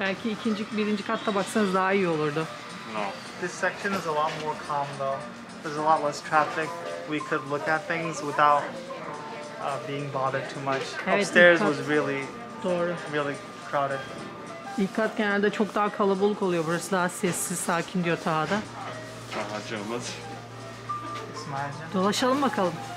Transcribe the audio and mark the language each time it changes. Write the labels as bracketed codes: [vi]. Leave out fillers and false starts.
[tr] Belki ikinci, birinci katta baksanız daha iyi olurdu. [en] No. This section is a lot more calm though. There's a lot less traffic. We could look at things without being bothered too much. [tr] Evet, [en] upstairs was really, [tr] doğru. [en] Really crowded. [tr] İlk kat genelde çok daha kalabalık oluyor. Burası daha sessiz, sakin diyor Taha'da. Taha'cığımız. İsmail'cığım. Dolaşalım bakalım.